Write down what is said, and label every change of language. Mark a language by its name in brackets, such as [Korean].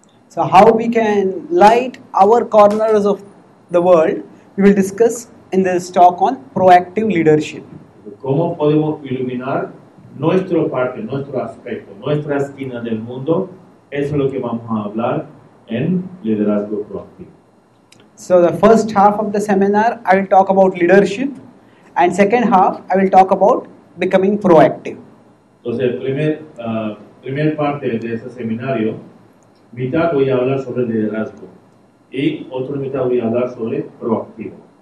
[English] So how we can light our corners of the world, we will discuss in this talk on proactive leadership. [Spanish] ¿Cómo podemos iluminar nuestro parte, nuestro aspecto, nuestra esquina del mundo? Eso es lo que vamos a hablar en liderazgo proactivo. [English] So the first half of the seminar, I will talk about leadership. And second half, I will talk about becoming proactive. [Spanish] Entonces, primer parte de este seminario, mitad voy a hablar sobre liderazgo. Y otra mitad voy a hablar sobre proactivo.